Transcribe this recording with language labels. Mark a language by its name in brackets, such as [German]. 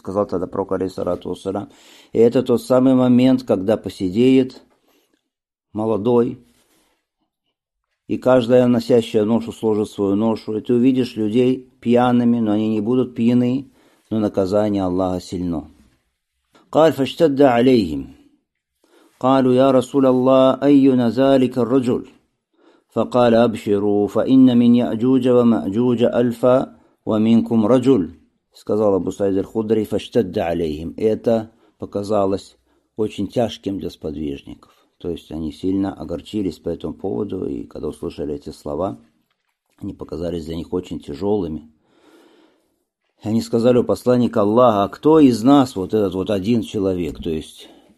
[Russian] Сказал тогда пророк, алейсалату вассалам. И это тот самый момент, когда посидеет молодой, и каждая носящая ношу сложит свою ношу, и ты увидишь людей пьяными, но они не будут пьяны, но наказание Аллаха сильно. [Arabic] «Каль фаштадда алейхим». قالوا يا رسول الله أينا ذلك الرجل فقال أبشروا فإن من يأجوج ومأجوج ألفا ومنكم رجل [Russian] сказал Абу Саид аль-Худри [Arabic] فاشتد عليهم. [Russian] Это показалось очень тяжким для сподвижников, то есть они сильно огорчились по этому поводу, и когда услышали эти слова, они показались для них очень тяжелыми. И они сказали у посланника Аллаха, кто из нас вот этот вот один человек, то есть